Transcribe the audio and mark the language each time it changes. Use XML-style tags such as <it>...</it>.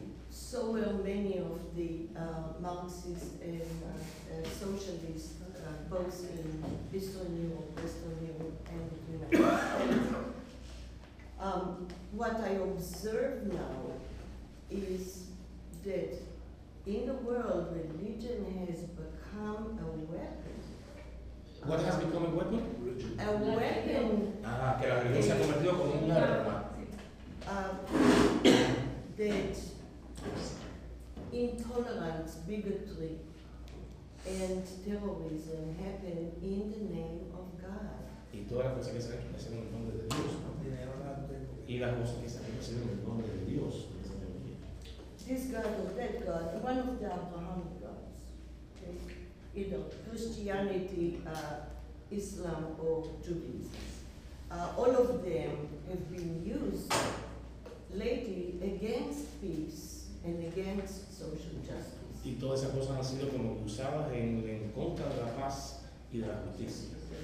<en>So were many of the Marxists and socialists, both in Eastern Europe, Western Europe, and the United States. What I observe now is that. In the world, religion has become a weapon. What has become a weapon? A weapon.</en> <es>Ah, que la religión se ha convertido como un arma.</es> <en>That intolerance, bigotry, and terrorism happen in the name of God.</en> <es>Y todas las cosas que se hacen en el nombre de Dios. Y las cosas que se hacen en el nombre de Dios.</es> <en>This God or that God, one of the Abrahamic gods, okay? You know, Christianity, Islam, or Judaism, all of them have been used lately against peace and against social justice.</en> <es>Y todas esas cosas han sido como usadas en contra de la paz y de la justicia.</es>